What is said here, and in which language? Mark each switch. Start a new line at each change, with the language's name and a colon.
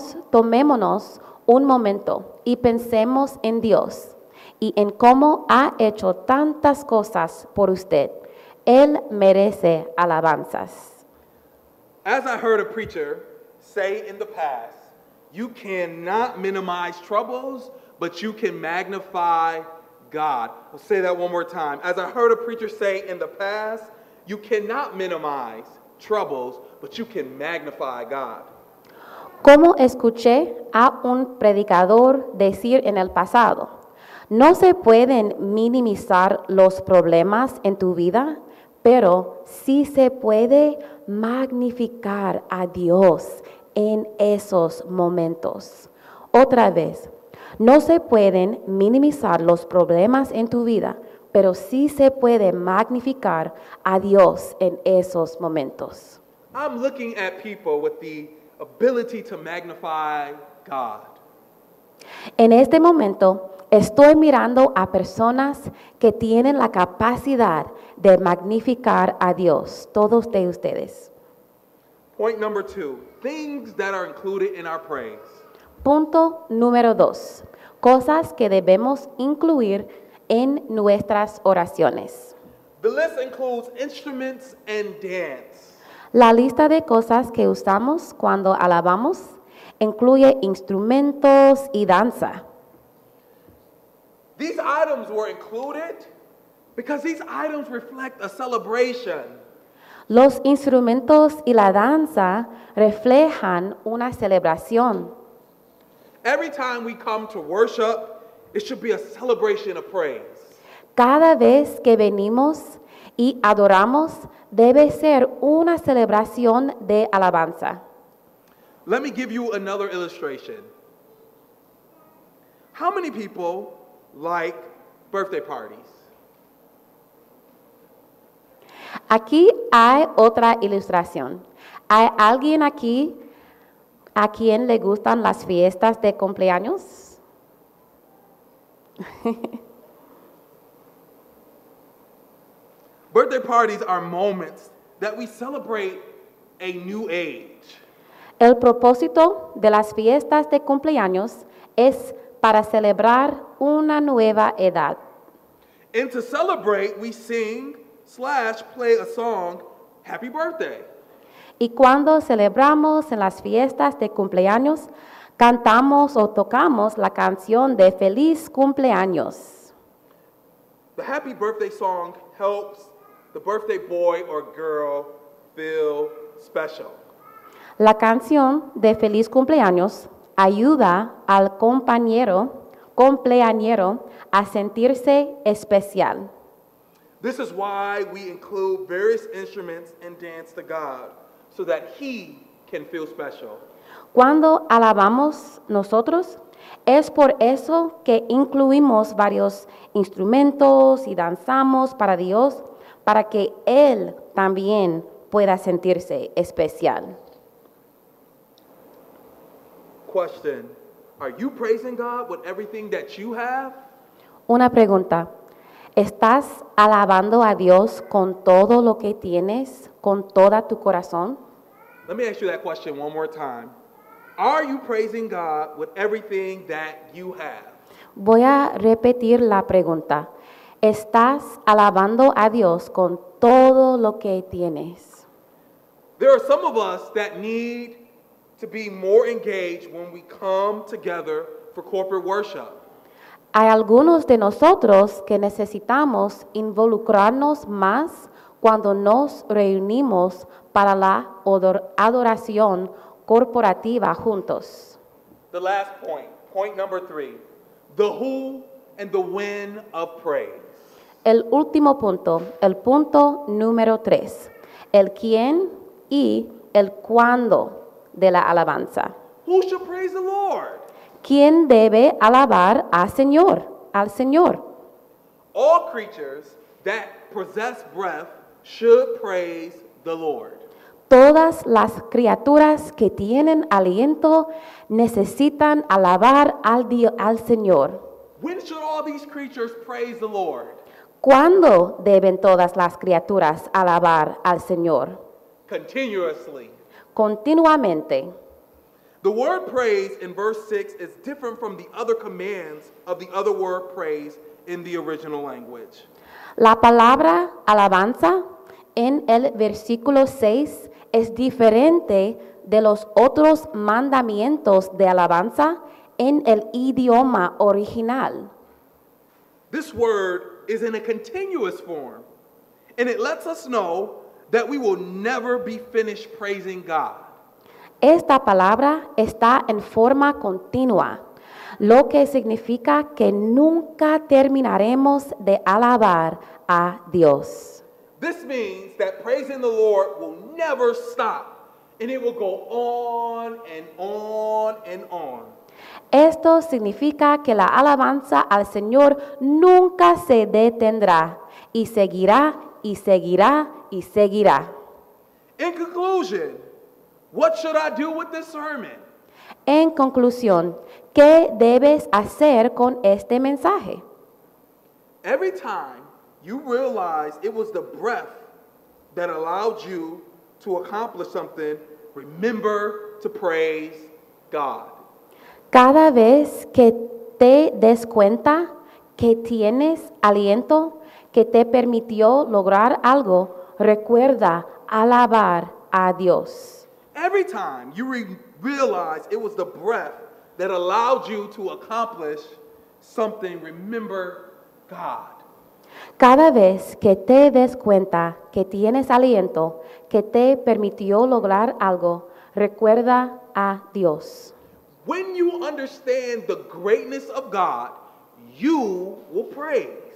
Spanish: Tomémonos un momento y pensemos en Dios y en cómo ha hecho tantas cosas por usted. Él merece alabanzas.
English: As I heard a preacher say in the past, you cannot minimize troubles, but you can magnify God. I'll say that one more time. As I heard a preacher say in the past, you cannot minimize troubles, but you can magnify God.
Spanish: Como escuché a un predicador decir en el pasado, no se pueden minimizar los problemas en tu vida, pero sí se puede magnificar a Dios en esos momentos. Otra vez, no se pueden minimizar los problemas en tu vida, pero sí se puede magnificar a Dios en esos momentos.
English: I'm looking at people with the ability to magnify God.
Spanish: En este momento, estoy mirando a personas que tienen la capacidad de magnificar a Dios, todos de ustedes.
English: Point number two, things that are included in our praise.
Spanish: Punto número dos, cosas que debemos incluir en nuestras oraciones.
English: The list includes instruments and dance.
Spanish: La lista de cosas que usamos cuando alabamos incluye instrumentos y danza.
English: These items were included because these items reflect a celebration.
Spanish: Los instrumentos y la danza reflejan una celebración.
English: Every time we come to worship, it should be a celebration of praise.
Spanish: Cada vez que venimos y adoramos, debe ser una celebración de alabanza.
English: Let me give you another illustration. How many people like birthday parties?
Spanish: Aquí hay otra ilustración. ¿Hay alguien aquí a quien le gustan las fiestas de cumpleaños?
English: Birthday parties are moments that we celebrate a new age.
Spanish: El propósito de las fiestas de cumpleaños es para celebrar una nueva edad.
English: And to celebrate, we sing slash play a song, Happy Birthday.
Spanish: Y cuando celebramos en las fiestas de cumpleaños, cantamos o tocamos la canción de Feliz Cumpleaños.
English: The Happy Birthday song helps the birthday boy or girl feel special.
Spanish: La canción de Feliz Cumpleaños ayuda al compañero cumpleañero a sentirse especial.
English: This is why we include various instruments and dance to God, so that he can feel special.
Spanish: Cuando alabamos nosotros, es por eso que incluimos varios instrumentos y danzamos para Dios, para que él también pueda sentirse especial.
English: Question: are you praising God with everything that you have?
Spanish: Una pregunta: ¿estás alabando a Dios con todo lo que tienes, con toda tu corazón?
English: Let me ask you that question one more time. Are you praising God with everything that you have?
Spanish: Voy a repetir la pregunta: ¿estás alabando a Dios con todo lo que tienes?
English: There are some of us that need to be more engaged when we come together for corporate worship.
Spanish: Hay algunos de nosotros que necesitamos involucrarnos más cuando nos reunimos para la adoración corporativa juntos.
English: The last point, point number three, the who and the when of praise.
Spanish: El último punto, el punto número tres, el quién y el cuándo de la alabanza.
English: Who should praise the Lord?
Spanish: ¿Quién debe alabar al Señor? Al Señor.
English: All creatures that possess breath should praise the Lord.
Spanish: Todas las criaturas que tienen aliento necesitan alabar al Señor.
English: When should all these creatures praise the Lord?
Spanish: ¿Cuándo deben todas las criaturas alabar al Señor?
English: Continuously.
Spanish: Continuamente.
English: The word praise in verse 6 is different from the other commands of the other word praise in the original language.
Spanish: La palabra alabanza en el versículo 6 es diferente de los otros mandamientos de alabanza en el idioma original.
English: This word is in a continuous form, and it lets us know that we will never be finished praising God.
Spanish: Esta palabra está en forma continua, lo que significa que nunca terminaremos de alabar a Dios.
English: This means that praising the Lord will never stop, and it will go on and on and on.
Spanish: Esto significa que la alabanza al Señor nunca se detendrá y seguirá y seguirá y seguirá.
English: In conclusion, what should I do with this sermon?
Spanish: En conclusión, ¿qué debes hacer con este mensaje?
English: Every time you realize it was the breath that allowed you to accomplish something, remember to praise God.
Spanish: Cada vez que te des cuenta que tienes aliento que te permitió lograr algo, recuerda alabar a Dios.
English: Every time you realize it was the breath that allowed you to accomplish something, remember God.
Spanish: Cada vez que te des cuenta que tienes aliento que te permitió lograr algo, recuerda a Dios.
English: When you understand the greatness of God, you will praise.